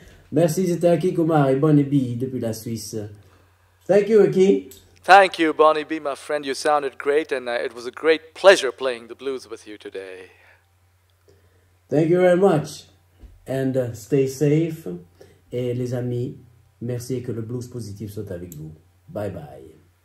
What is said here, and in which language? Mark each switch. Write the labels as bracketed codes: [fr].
[fr] Merci, c'était Aki Kumar et Bonnie B depuis la Suisse. [en] Thank you, Aki. Thank you, Bonnie B, my friend. You sounded great and it was a great pleasure playing the blues with you today. Thank you very much. And stay safe. [fr] Et les amis, merci et que le blues positif soit avec vous. [en] Bye bye.